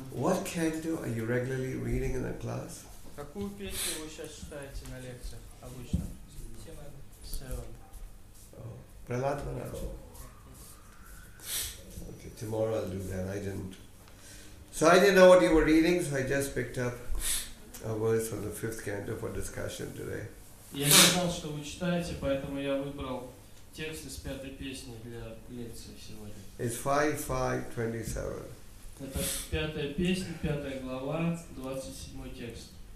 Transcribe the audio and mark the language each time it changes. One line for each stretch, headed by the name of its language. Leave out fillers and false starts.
English: What canto are you regularly reading in the class?
Russian: Какую песню вы сейчас читаете на лекциях обычно?
English: Seven. Prahlad Maharaj. Okay, tomorrow I'll do that. I didn't know what you were reading, so I just picked up a verse from the fifth canto for discussion today.
Russian: Я не знал, что вы читаете, поэтому я выбрал текст из пятой песни для лекции сегодня.
English: It's 5:5:27.
Russian: Это пятая песня, пятая глава, 27 текст.